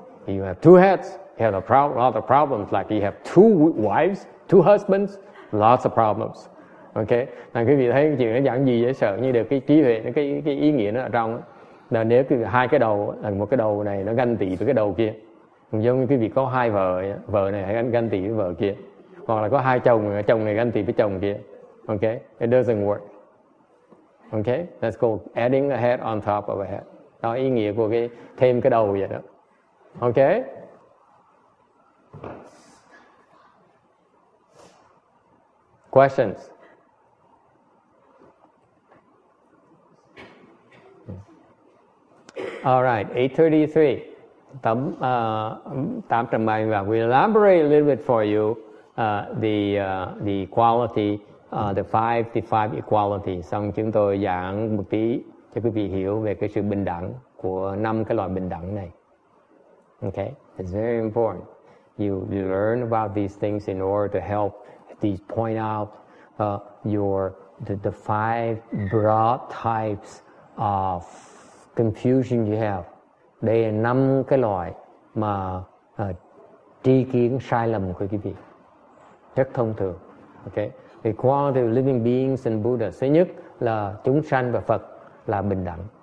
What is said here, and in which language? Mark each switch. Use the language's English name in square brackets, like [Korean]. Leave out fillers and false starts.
[English] You have two heads, you have a lot of problems. Like you have two wives, two husbands, lots of problems. [Vietnamese] OK, là quý vị thấy cái chuyện nó giản dị dễ sợ, như được cái trí huệ, cái ý nghĩa nó ở trong. Là nếu hai cái đầu, một cái đầu này nó ganh tị với cái đầu kia, giống như quý vị có hai vợ, vợ này hay ganh tị với vợ kia, hoặc là có hai chồng này ganh tị với chồng kia. [English] OK, it doesn't work. OK, that's called adding a head on top of a head. [Vietnamese] Đó ý nghĩa của cái thêm cái đầu vậy đó. [English] OK. Questions. All right, 833. We'll elaborate a little bit for you the equality, the five equalities. [Vietnamese] Xong chúng tôi giảng một tí cho quý vị hiểu về cái sự bình đẳng của năm cái loại bình đẳng này. [English] Okay, it's very important. You learn about these things in order to help these point out the five broad types of confusion you have. [Vietnamese] Đây là năm cái loại mà tri kiến sai lầm của quý vị. Rất thông thường. Okay. [English] Equality of living beings and Buddha. [Vietnamese] Thứ nhất là chúng sanh và Phật là bình đẳng.